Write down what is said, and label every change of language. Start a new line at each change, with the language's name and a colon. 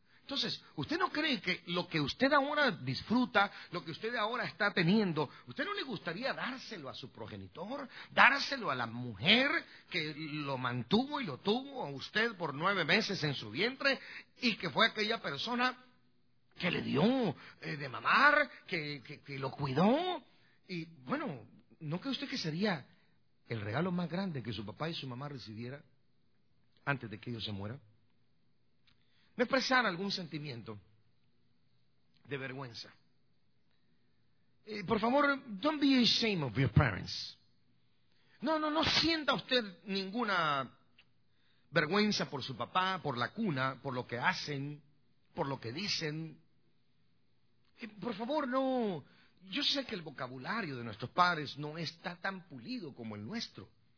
Spanish: Entonces, ¿usted no cree que lo que usted ahora disfruta, lo que usted ahora está teniendo, usted no le gustaría dárselo a su progenitor, dárselo a la mujer que lo mantuvo y lo tuvo a usted por 9 meses en su vientre y que fue aquella persona que le dio de mamar, que lo cuidó? Y bueno, ¿no cree usted que sería el regalo más grande que su papá y su mamá recibiera antes de que ellos se mueran? No expresar algún sentimiento de vergüenza. Por favor,
English: don't be ashamed of your parents.
Spanish: No sienta usted ninguna vergüenza por su papá, por la cuna, por lo que hacen, por lo que dicen. Por favor, no. Yo sé que el vocabulario de nuestros padres no está tan pulido como el nuestro.